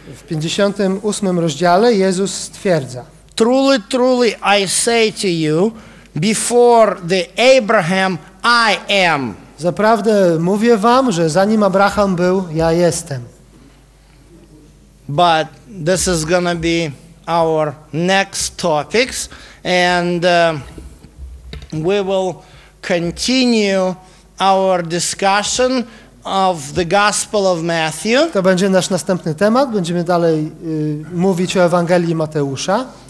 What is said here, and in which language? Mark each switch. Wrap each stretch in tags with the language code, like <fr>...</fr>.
<pl>W 58 rozdziale Jezus stwierdza.</pl> <en>Truly, truly, I say to you, before the Abraham, I am.</en> <pl>Zaprawdę mówię wam, że zanim Abraham był, ja jestem.</pl> <en>But this is gonna be our next topics, and we will continue our discussion of the Gospel of Matthew.</en> <pl>To będzie nasz następny temat. Będziemy dalej mówić o Ewangelii Mateusza.</pl>